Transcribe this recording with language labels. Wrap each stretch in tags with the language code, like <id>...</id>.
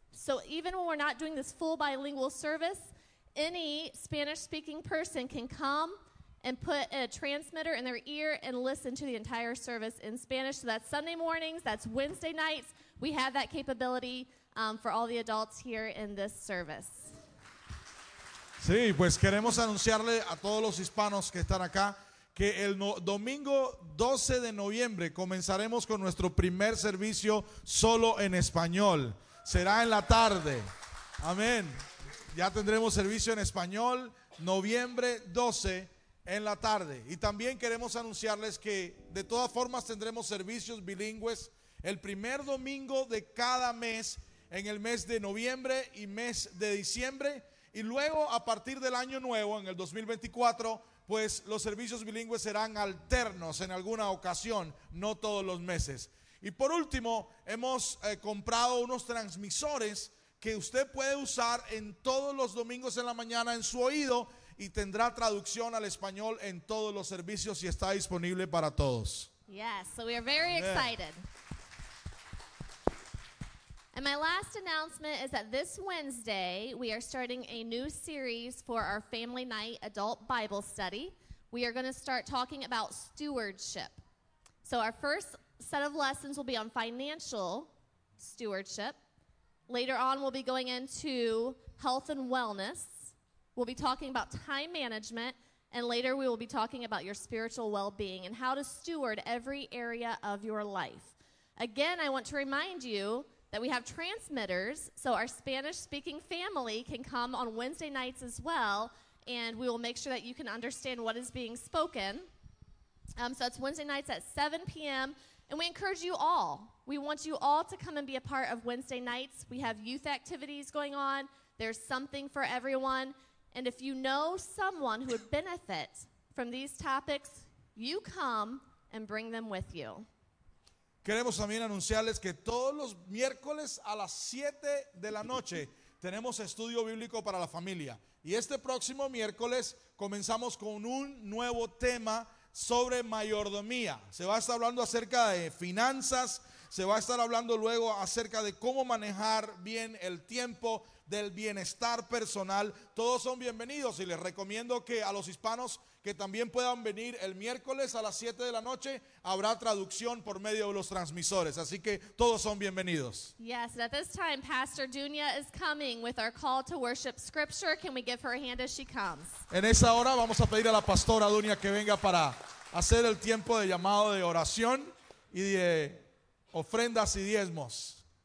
<en>So even when we're not doing this full bilingual service, any Spanish-speaking person can come and put a transmitter in their ear and listen to the entire service in Spanish. So that's Sunday mornings, that's Wednesday nights. We have that capability for all the adults here in this service.</en> <es>Sí, pues queremos anunciarle a todos los hispanos que están acá que el domingo 12 de noviembre comenzaremos con nuestro primer servicio solo en español. Será en la tarde. Amén. Ya tendremos servicio en español noviembre 12 en la tarde. Y también queremos anunciarles que de todas formas tendremos servicios bilingües el primer domingo de cada mes en el mes de noviembre y mes de diciembre. Y luego a partir del año nuevo en el 2024, pues los servicios bilingües serán alternos en alguna ocasión, no todos los meses. Y por último, hemos comprado unos transmisores que usted puede usar en todos los domingos en la mañana en su oído y tendrá traducción al español en todos los servicios y está disponible para todos.</es> <en>Yes, so we are very excited. And my last announcement is that this Wednesday, we are starting a new series for our Family Night Adult Bible Study. We are going to start talking about stewardship. So our first set of lessons will be on financial stewardship. Later on, we'll be going into health and wellness. We'll be talking about time management. And later, we will be talking about your spiritual well-being and how to steward every area of your life. Again, I want to remind you that we have transmitters, so our Spanish-speaking family can come on Wednesday nights as well, and we will make sure that you can understand what is being spoken. So it's Wednesday nights at 7 p.m., and we encourage you all. We want you all to come and be a part of Wednesday nights. We have youth activities going on. There's something for everyone. And if you know someone who would benefit from these topics, you come and bring them with you.</en> <es>Queremos también anunciarles que todos los miércoles a las 7 de la noche tenemos estudio bíblico para la familia. Y este próximo miércoles comenzamos con un nuevo tema sobre mayordomía. Se va a estar hablando acerca de finanzas, se va a estar hablando luego acerca de cómo manejar bien el tiempo, del bienestar personal. Todos son bienvenidos y les recomiendo que a los hispanos que también puedan venir el miércoles a las 7 de la noche, habrá traducción por medio de los transmisores, así que todos son bienvenidos.</es> <en>Yes, at this time Pastor Dunia is coming with our call to worship scripture. Can we give her a hand as she comes?</en> <es>En esa hora vamos a pedir a la pastora Dunia que venga para hacer el tiempo de llamado de oración y de ofrendas y diezmos.</es>